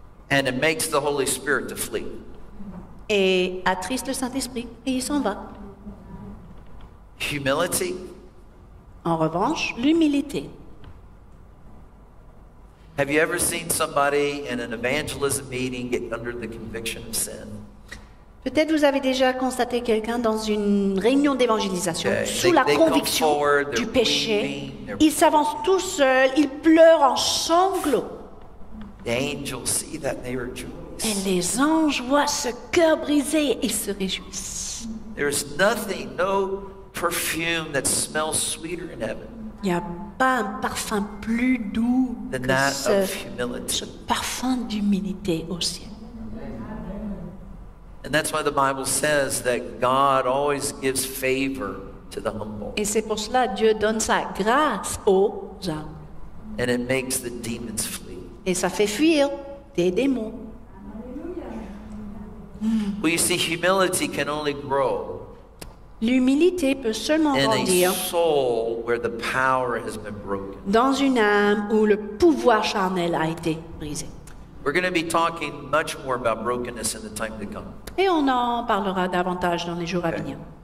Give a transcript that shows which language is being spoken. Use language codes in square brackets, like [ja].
[en] And it makes the Holy Spirit to flee. [fr] Et attriste le Saint-Esprit et il s'en va. [en] Humility. [fr] En revanche, l'humilité. [en] Have you ever seen somebody in an evangelism meeting get under the conviction of sin? [fr] Peut-être vous avez déjà constaté quelqu'un dans une réunion d'évangélisation [en] okay. [fr] sous la conviction [en] forward, [fr] du péché. Ils s'avancent tout seuls, ils pleurent en sanglots. [en] The angels see that they rejoice. [fr] Et les anges voient ce cœur brisé, ils se réjouissent. [en] There's nothing, no perfume that smells sweeter in heaven. [fr] Il n'y a pas un parfum plus doux [en] than [fr] que [en] that of humility. [fr] Ce parfum d'humilité au ciel. [en] And that's why the Bible says that God always gives favor to the humble. [fr] Et c'est pour cela Dieu donne sa grâce aux humbles. [en] And it makes the demons flee. [fr] Et ça fait fuir des démons. [en] Hallelujah. Well, you see, humility can only grow. [fr] L'humilité peut seulement grandir. [en] In a soul where the power has been broken. [fr] Dans une âme où le pouvoir charnel a été brisé. [en] We're going to be talking much more about brokenness in the time to come. [fr] Et on en parlera davantage dans les jours à venir.